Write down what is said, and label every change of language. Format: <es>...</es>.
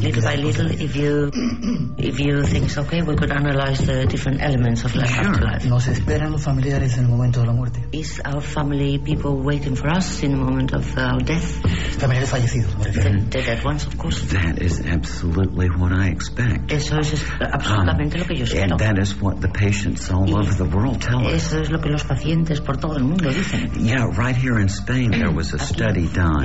<en>Little by little, if you think it's okay, we could analyze the different elements of life. Sure.</en> <es>Nos esperan los familiares en el momento de la muerte.</es> <en>Is our family people waiting for us in the moment of our death?</en> <es>Familiares fallecidos.</es> <en>The dead ones, of course. That is absolutely what I expect.</en> <es>Eso es absolutamente lo que yo espero.</es> <en>And that is what the patients all over the world tell us.</en> <es>Eso es lo que los pacientes por todo el mundo dicen.</es> <en>Yeah, right here in Spain there was a study done.</en>